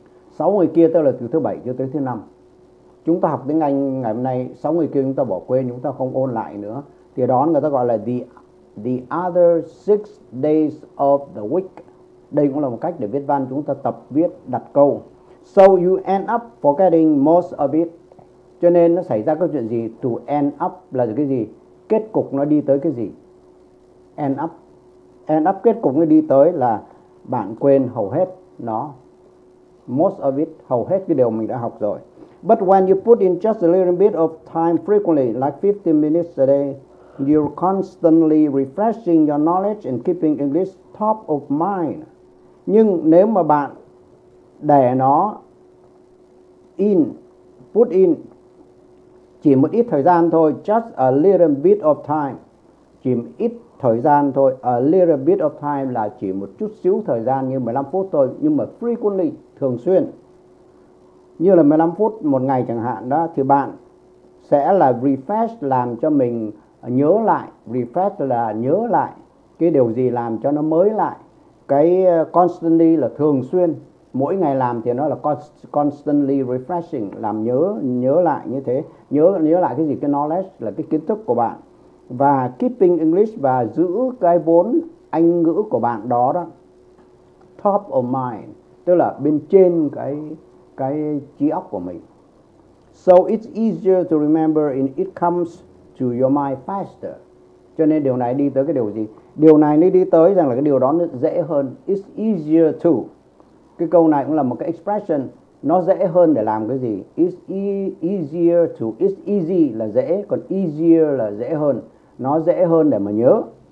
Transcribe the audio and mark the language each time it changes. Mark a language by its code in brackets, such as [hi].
[vi] 6 ngày kia tức là từ thứ 7 cho tới thứ 5. Chúng ta học tiếng Anh ngày hôm nay, 6 ngày kia chúng ta bỏ quên, chúng ta không ôn lại nữa. Thì đó người ta gọi là the [en] the other six days of the week. [vi] Đây cũng là một cách để viết văn, chúng ta tập viết đặt câu. [en] So you end up forgetting most of it. [vi] Cho nên nó xảy ra cái chuyện gì? To end up là cái gì? Kết cục nó đi tới cái gì? End up. End up kết cục nó đi tới là bạn quên hầu hết nó. [en] Most of it, [vi] hầu hết cái điều mình đã học rồi. [en] But when you put in just a little bit of time frequently, like 15 minutes a day, you're constantly refreshing your knowledge and keeping English top of mind. [vi] Nhưng nếu mà bạn để nó in, put in chỉ một ít thời gian thôi, [en] just a little bit of time, [vi] chỉ một ít thời gian thôi, a little bit of time là chỉ một chút xíu thời gian như 15 phút thôi, nhưng mà frequently, thường xuyên, như là 15 phút một ngày chẳng hạn đó, thì bạn sẽ là refresh, làm cho mình nhớ lại, refresh là nhớ lại cái điều gì, làm cho nó mới lại. Cái constantly là thường xuyên, mỗi ngày làm thì nó là [en] constantly refreshing, [vi] làm nhớ, nhớ lại như thế. Nhớ lại cái gì? Cái knowledge là cái kiến thức của bạn. Và [en] keeping English [vi] và giữ cái vốn Anh ngữ của bạn đó đó, [en] top of mind, [vi] tức là bên trên cái trí óc của mình. [en] So it's easier to remember and it comes to your mind faster. [vi] Cho nên điều này đi tới cái điều gì? Điều này nó đi tới rằng là cái điều đó nó dễ hơn. [en] It's easier to. [vi] Cái câu này cũng là một cái expression. Nó dễ hơn để làm cái gì? [en] It's easier to. It's easy [vi] là dễ, còn easier là dễ hơn. Nó dễ hơn để mà nhớ.